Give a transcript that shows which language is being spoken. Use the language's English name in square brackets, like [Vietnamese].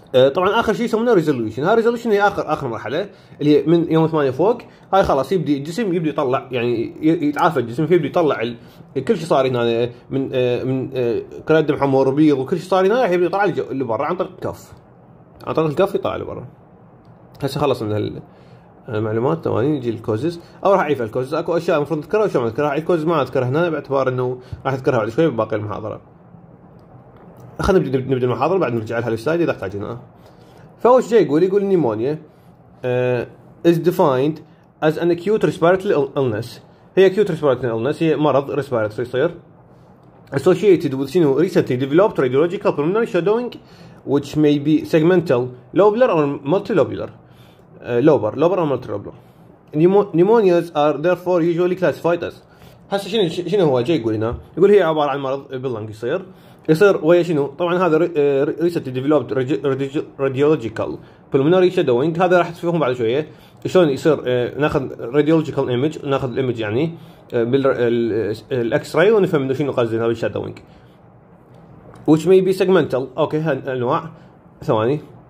[Arabic] طبعا اخر شيء يسمونه ريزولوشن. هاي ريزولوشن هي اخر مرحله اللي من يوم 8 فوق هاي خلاص يبدي الجسم يبدي يطلع يعني يتعافى الجسم فيبدي يطلع كل شيء صار هنا من كرايه الدم حمر وبيض وكل شيء صار هنا راح يبدي يطلع اللي برا عن طريق الكف عن طريق الكف يطلع اللي برا. هسه خلص من هالمعلومات ثواني نجي للكوزز او راح اعيف الكوزز. اكو اشياء المفروض اذكرها وشو ما اذكرها. الكوزز ما اذكرها هنا باعتبار انه راح اذكرها بعد شوي بباقي المحاضره. خلينا نبدا المحاضره بعد نرجع لها السلايد اذا احتاجنا. فاول شيء يقول النيمونيا [English] is defined as an acute respiratory illness هي acute respiratory illness، [Arabic] هي مرض [English] respiratory يصير associated with شنو recently developed radiological pulmonary shadowing which may be segmental lobular or multilobular lobar lobar or multilobular. Pneumonias are therefore usually classified as. [Arabic] هسه شنو هو جاي يقول هنا؟ يقول هي عباره عن مرض باللنج يصير ويا شنو؟ طبعا هذا [English] recently developed radiological pulmonary shadowing، [Arabic] هذا راح تشوفهم بعد شويه شلون يصير. ناخذ [English] radiological image، [Arabic] ناخذ الايمج يعني بالاكس راي ونفهم انه شنو قصدي هذا الشادوينج. [English] Which may be segmental، [Arabic] اوكي هالانواع ثواني.